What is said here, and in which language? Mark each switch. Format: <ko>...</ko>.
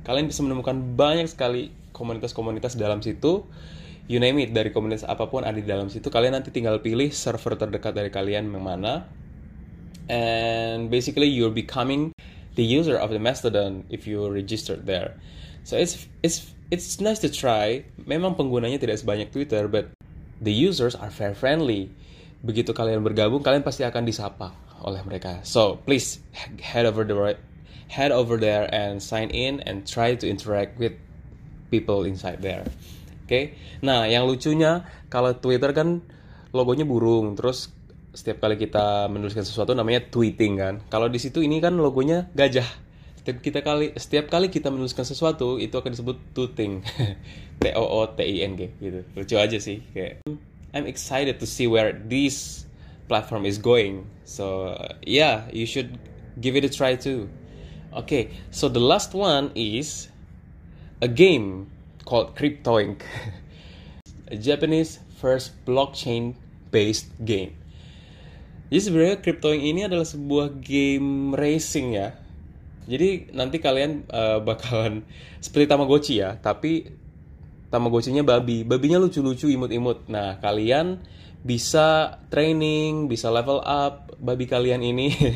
<id>Kalian bisa menemukan banyak sekali komunitas-komunitas dalam situ.</id> <en>You name it,</en> <id>dari komunitas apapun ada di dalam situ. Kalian nanti tinggal pilih server terdekat dari kalian yang mana.</id> <en>and basically you're becoming the user of the Mastodon if you registered there. So it's nice to try.</en> <id>Memang penggunanya tidak sebanyak Twitter,</id> <en>but the users are very friendly.</en> <id>Begitu kalian bergabung, kalian pasti akan disapa oleh mereka.</id> <en>So please head over there and sign in and try to interact with people inside there. Oke. Okay?</en> <id>Nah, yang lucunya kalau Twitter kan logonya burung, terus setiap kali kita menuliskan sesuatu namanya tweeting kan. Kalau di situ ini kan logonya gajah. Setiap kali kita menuliskan sesuatu itu akan disebut tooting. TOOTING gitu. Lucu aja sih kayak.</id> <en>I'm excited to see where this platform is going. So, yeah, you should give it a try too. Okay, so the last one is a game called CryptoInk. A Japanese first blockchain-based game.</en> <id>Jadi sebenarnya CryptoInk ini adalah sebuah game racing ya. Jadi nanti kalian bakalan seperti Tamagotchi ya, tapi Tamagotchi-nya babi. Babinya lucu-lucu, imut-imut. Nah, kalian bisa training, bisa level up babi kalian ini.</id>